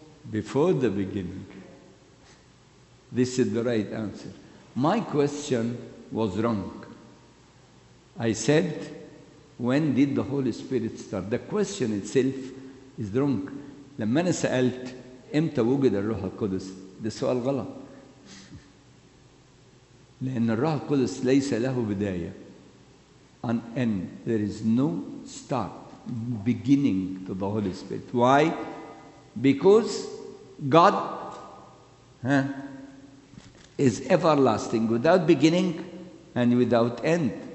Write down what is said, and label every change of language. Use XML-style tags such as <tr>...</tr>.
<en>Before the beginning. This is the right answer. My question was wrong. I said, when did the Holy Spirit start? The question itself is wrong.</en> <ar>لما أنا سألت إمتى وجد الروح القدس؟ ده سؤال غلط، لأن الروح القدس ليس له بداية.</ar> <en>An end. There is no start, beginning to the Holy Spirit. Why? Because God is everlasting, without beginning and without end.</en>